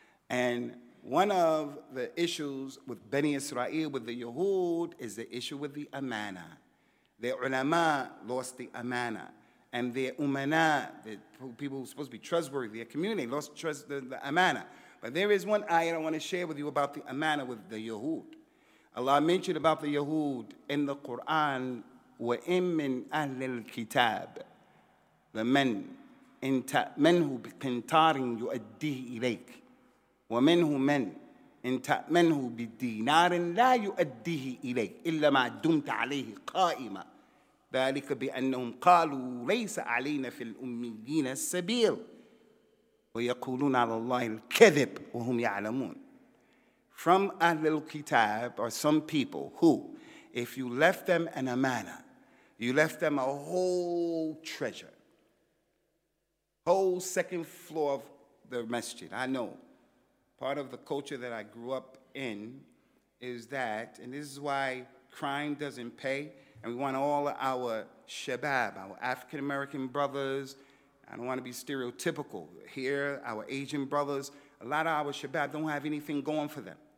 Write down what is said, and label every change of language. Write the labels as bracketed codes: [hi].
[en] And one of the issues with Bani Israel, with the Yahud, is the issue with the amana. Their ulama lost the amana. And their umana, the people who are supposed to be trustworthy, their community, lost trust the amana. But there is one ayah I want to share with you about the amana with the Yahud. Allah mentioned about the Yahud in the Quran, [ar] وَإِن مِّنْ أَهْلِ الْكِتَابِ لَمَنْ إِنْ تَأْمَنْهُ بِقِنْتَارٍ يُؤَدِّهِ إِلَيْكِ وَمِنْهُ مَنْ إِنْ تَأْمَنْهُ بِدِينَارٍ لَا يُؤَدِّهِ إِلَيْكِ إِلَّا مَا دُمْتَ عَلَيْهِ قَائِمًا ذَلِكَ بِأَنَّهُمْ قَالُوا لَيْسَ عَلَيْنَا فِي الْأُمِّيِّينَ السَّبِيلُ وَيَقُولُونَ عَلَى اللَّهِ الْكَذِبُ وَهُمْ يَعْلَمُونَ. [en] From Ahl al-Kitab are some people who, if you left them an amana, you left them a whole treasure. Whole second floor of the masjid. I know. Part of the culture that I grew up in is that, and this is why crime doesn't pay, and we want all our shabab, our African-American brothers, I don't want to be stereotypical here, our Asian brothers, a lot of our shabab don't have anything going for them.